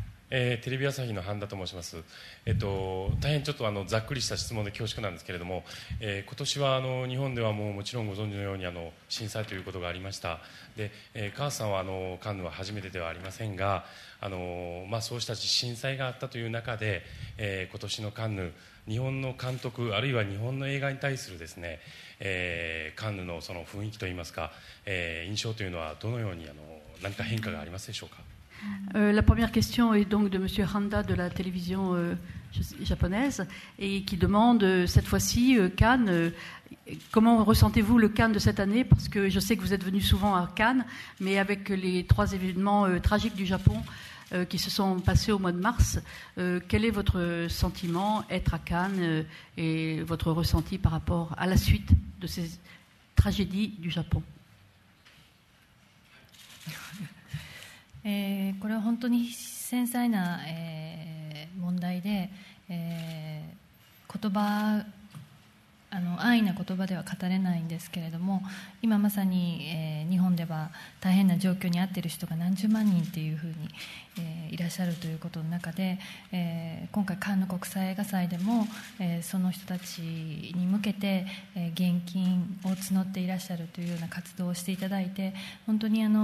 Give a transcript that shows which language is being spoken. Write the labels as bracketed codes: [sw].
[ja] テレビ朝日の半田と申します。大変ちょっと、ざっくりした質問で恐縮なんですけれども、今年は日本ではもうもちろんご存知のように震災ということがありました。で、母さんはカンヌは初めてではありませんが、まあそうした震災があったという中で、今年のカンヌ、日本の監督あるいは日本の映画に対するですね、カンヌのその雰囲気といいますか、印象というのはどのように何か変化がありますでしょうか。 [fr] La première question est donc de M. Handa de la télévision japonaise et qui demande cette fois-ci Cannes, comment ressentez-vous le Cannes de cette année? Parce que je sais que vous êtes venu souvent à Cannes, mais avec les trois événements tragiques du Japon qui se sont passés au mois de mars, quel est votre sentiment être à Cannes et votre ressenti par rapport à la suite de ces tragédies du Japon? [ja] これは本当に繊細な、問題で、言葉安易な言葉では語れないんですけれども、今まさに、日本では大変な状況に遭っている人が何十万人というふうに、いらっしゃるということの中で、今回カンヌ国際映画祭でも、その人たちに向けて、現金を募っていらっしゃるというような活動をしていただいて、本当に